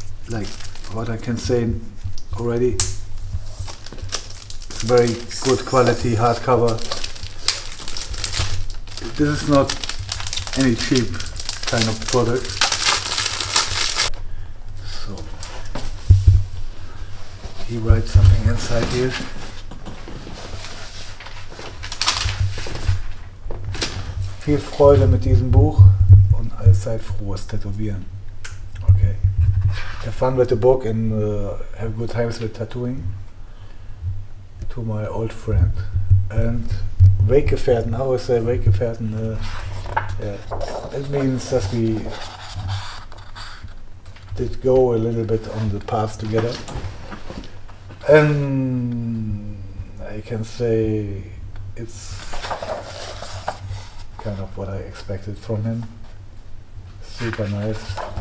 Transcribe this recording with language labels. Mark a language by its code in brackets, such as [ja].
[en] Like what I can say already, it's very good quality hardcover. This is not any cheap kind of product. He writes something inside here. [de] Viel Freude mit diesem Buch und allzeit frohes Tätowieren. [en] Okay. Have fun with the book and have good times with tattooing. To my old friend. And Weggefährten, how is Weggefährten? It means that we did go a little bit on the path together. And I can say it's kind of what I expected from him. Super nice.